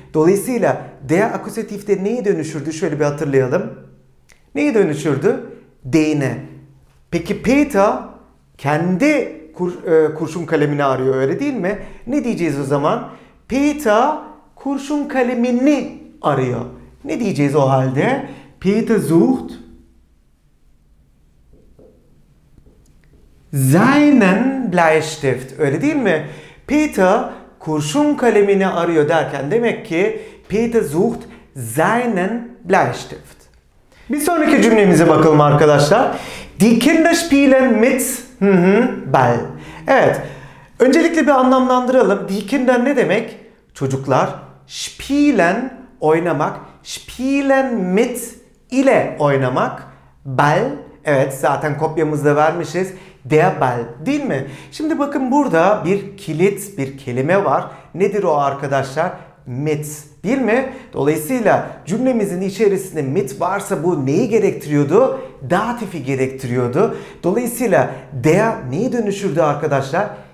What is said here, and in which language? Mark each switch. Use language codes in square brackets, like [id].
[tr] Dolayısıyla der akusatifte neye dönüşürdü? Şöyle bir hatırlayalım. Neye dönüşürdü? Deine. Peki Peter kendi kurşun kalemini arıyor. Öyle değil mi? Ne diyeceğiz o zaman? Peter kurşun kalemini arıyor. Ne diyeceğiz o halde? [de] Peter sucht seinen Bleistift. [tr] Öyle değil mi? Peter kurşun kalemini arıyor derken demek ki [de] Peter sucht seinen Bleistift. [tr] Bir sonraki cümlemize bakalım arkadaşlar. [de] Die Kinder spielen mit Ball. [tr] Evet. Öncelikle bir anlamlandıralım. Die Kinder ne demek? Çocuklar spielen oynamak. Spielen mit ile oynamak. Ball. Evet, zaten kopyamızda vermişiz. Der Ball, değil mi? Şimdi bakın burada bir kilit, bir kelime var. Nedir o arkadaşlar? Mit, değil mi? Dolayısıyla cümlemizin içerisinde mit varsa bu neyi gerektiriyordu? Datifi gerektiriyordu. Dolayısıyla der neyi dönüşürdü arkadaşlar?